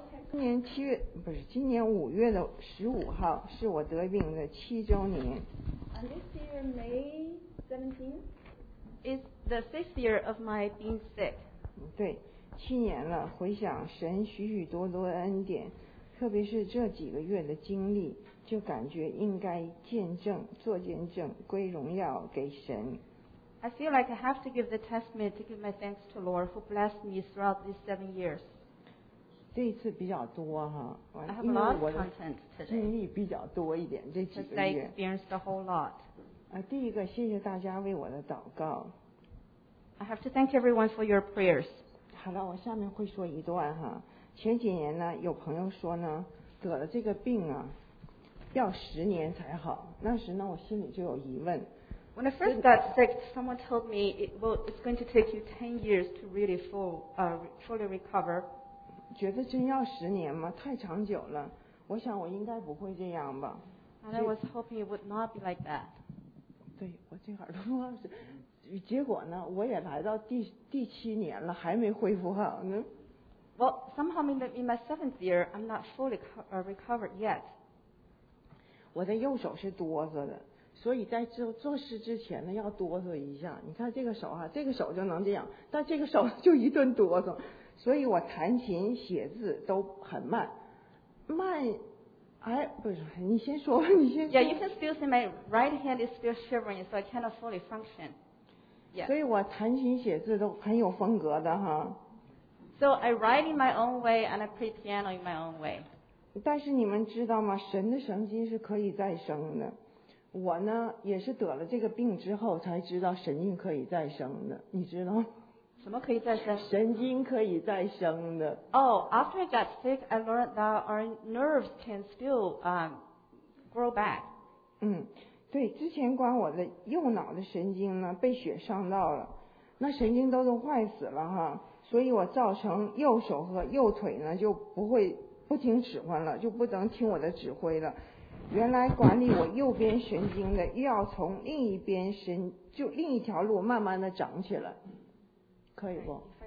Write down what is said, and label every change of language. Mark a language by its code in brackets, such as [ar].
[zh] 今年七月不是今年5月15日是我得病的七周年。 [en] And this year May 17th is the 6th year of my being sick. [zh] 对，七年了，回想神许许多多的恩典，特别是这几个月的经历，就感觉应该见证，做见证，归荣耀给神。 [en] I feel like I have to give the testament to give my thanks to Lord who blessed me throughout these 7 years. [zh] 这一次比较多哈，因为我的经历比较多一点，这几个月。 [en] I experienced a whole lot. [zh] 第一个，谢谢大家为我的祷告。 [en] I have to thank everyone for your prayers. [zh] 好了，我下面会说一段哈。前几年呢，有朋友说呢，得了这个病啊，要10年才好。那时呢，我心里就有疑问。 [en] When I first got sick, someone told me it's going to take you 10 years to really fully recover. [zh] 觉得真要10年吗？太长久了。我想我应该不会这样吧。 [en] And I was hoping it would not be like that. [zh] 对，我这耳朵是。结果呢，我也来到第七年了，还没恢复好呢。 [en] Well, somehow in my 7th year, I'm not fully recovered yet. [zh] 我的右手是哆嗦的，所以在做事之前呢，要哆嗦一下。你看这个手啊，这个手就能这样，但这个手就一顿哆嗦。所以我弹琴写字都很慢，慢，哎，不是，你先说，你先说。 [en] Yeah, you can still see my right hand is still shivering, so I cannot fully function. Yeah. [zh] 所以我弹琴写字都很有风格的哈。 [en] So I write in my own way and I play piano in my own way. [zh] 但是你们知道吗？神的神迹是可以再生的。我呢，也是得了这个病之后才知道神迹可以再生的，你知道吗？什么可以再生？神经可以再生的。 [en] Oh, after I got sick, I learned that our nerves can still grow back. [zh] 对，之前管我的右脑的神经呢，被血伤到了，那神经都坏死了哈，所以我造成右手和右腿呢就不听指挥了，就不能听我的指挥了。原来管理我右边神经的，又要从另一边神，就另一条路慢慢的长起来。可以不？